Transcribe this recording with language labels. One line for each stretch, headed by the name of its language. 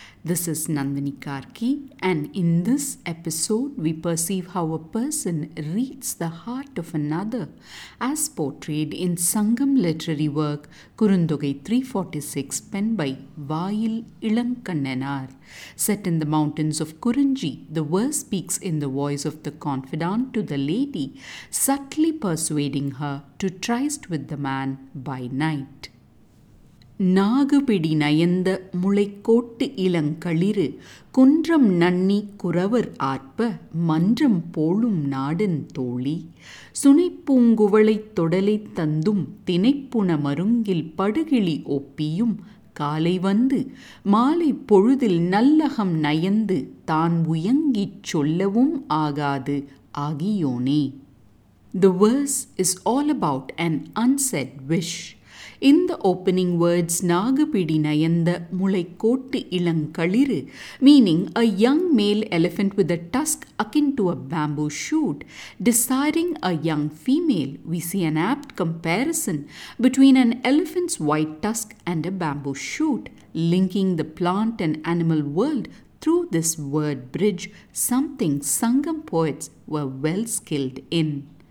English: This is Nandini Karki, and in this episode we perceive how a person reads the heart of another as portrayed in Sangam literary work Kurundogai 346 penned by Vayil Ilankannanar. Set in the mountains of Kurunji, the verse speaks in the voice of the confidant to the lady, subtly persuading her to tryst with the man by night.
Tamil: நாகுபிடி நயந்த முளைக்கோட்டு இளங்களிறு குன்றம் நன்னி குறவர் ஆற்ப மன்றம் போலும் நாடன் தோழி சுனைப்பூங்குவளைத் தொடலைத் தந்தும் தினைப்புண மருங்கில் படுகிளி ஒப்பியும் காலை வந்து மாலை பொழுதில் நல்லகம் நயந்து தான் உயங்கிச் சொல்லவும் ஆகாது ஆகியோனே.
English: The verse is all about an unsaid wish. In the opening words,
Tamil: Nagapidi Nayanda Mulaikottu Ilankaliru,
English: meaning a young male elephant with a tusk akin to a bamboo shoot, desiring a young female, we see an apt comparison between an elephant's white tusk and a bamboo shoot, linking the plant and animal world through this word bridge, something Sangam poets were well skilled in.